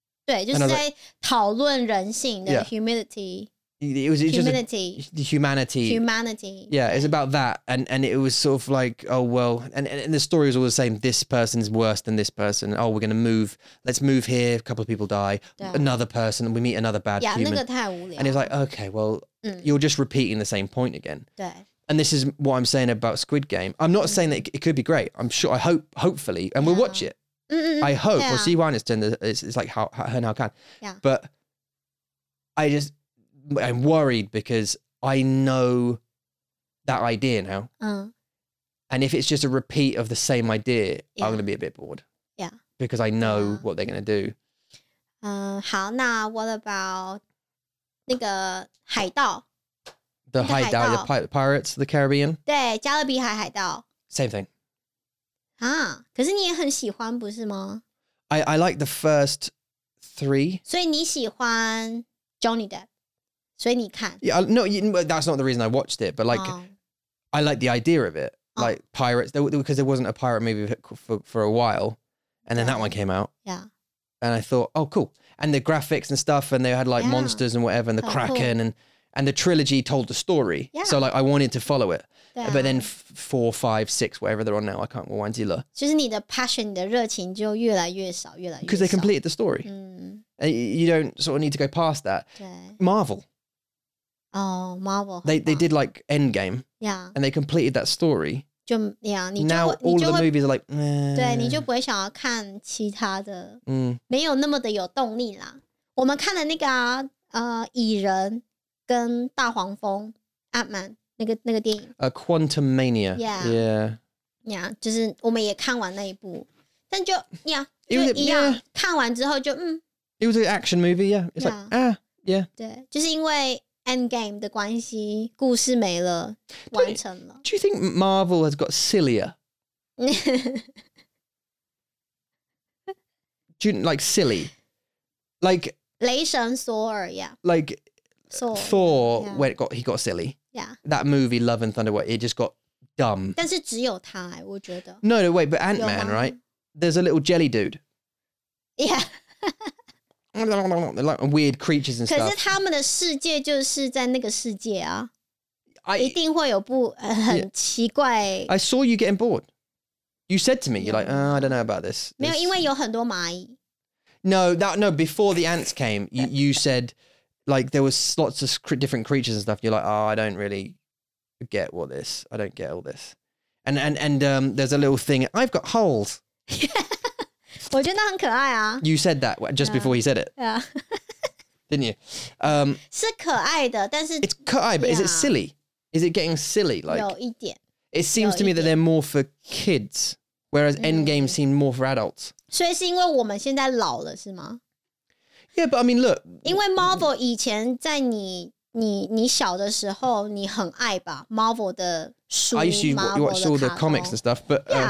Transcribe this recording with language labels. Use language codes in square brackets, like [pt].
[zh] 就是都是在跟，就是对，就是在讨论人性的 [en] like, humility. It was humanity. The humanity. Humanity. Yeah, it's about that. And it was sort of like, oh well, and the story was all the same. This person's worse than this person. Oh, we're gonna move. Let's move here. A couple of people die. Another person. We meet another bad human. Yeah, [zh] 那个太无聊. [en] And it's like, okay, well, you're just repeating the same point again. [zh] 对. [en] And this is what I'm saying about Squid Game. I'm not saying that it could be great. I'm sure. I hope. Hopefully, and we'll watch it. Mm-hmm. I hope we'll see why it's like how can. Yeah. But I'm worried because I know that idea now. And if it's just a repeat of the same idea, I'm going to be a bit bored. Yeah. Because I know what they're going to do. [zh] 好，那 [en] what about [zh] 那个海盗? [en] The hideout, the pirates of the Caribbean? [zh] 对，加勒比海海盗. [en] Same thing. [zh] 啊，可是你也很喜欢，不是吗? [en] I like the first three. [zh] 所以你喜欢 Johnny Depp? 所以你看? [en] That's not the reason I watched it, but like, I like the idea of it. Like pirates, because there wasn't a pirate movie for a while, and then that one came out. Yeah. And I thought, oh, cool. And the graphics and stuff, and they had like monsters and whatever, and the Kraken, and the trilogy told the story. Yeah. So like, I wanted to follow it. Yeah. But then 4, 5, 6, whatever they're on now, I can't remember. [zh] 就是你的passion,你的热情就越来越少,越来越少. [en] Because they completed the story. Mm. And you don't sort of need to go past that. Marvel. Oh, Marvel. They did like Endgame. Yeah. And they completed that story. [zh] 就,yeah,你就会, [en] now all of the movies are like, eh. [zh] 对,你就不会想要看其他的, 没有那么的有动力啦. 我们看的那个, 蚁人跟大黄蜂, Ant-Man. 那个电影 [en] Quantum Mania. Yeah. [zh] 就是我们也看完那一部 但就, [en] It was [zh] 看完之后就, [en] It was an action movie, yeah. [zh] 就是因为 Endgame的关系 故事没了 完成了 [en] Do you think Marvel has got sillier? Do you, like silly? Like [zh] 雷神索尔, yeah. [en] Like Thor when he got silly. Yeah. That movie, Love and Thunder, it just got dumb. [zh] 但是只有他,我觉得. [en] No, wait, but Ant-Man, right? There's a little jelly dude. Yeah. Like weird creatures and stuff. [zh] 可是他们的世界就是在那个世界啊. 一定会有不很奇怪. [en] I saw you getting bored. You said to me, you're like, oh, I don't know about this. [zh] 没有,因为有很多蚂蚁. [en] No, before the ants came, you said... Like, there was lots of different creatures and stuff. You're like, oh, I don't really get what this. I don't get all this. And there's a little thing. I've got holes. [zh] 我觉得很可爱啊. [en] You said that just before he said it. Yeah. Didn't you? [zh] 是可爱的,但是... [en] It's 可爱, but is it silly? Is it getting silly? Like, [zh] 有一点. [en] It seems to me that they're more for kids, whereas Endgame seemed more for adults. [zh] 所以是因为我们现在老了,是吗? [en] Yeah, but I mean, look. [zh] 因为Marvel以前在你小的时候,你很爱吧? Marvel的书, [en] I used to watch all the comics and stuff, but...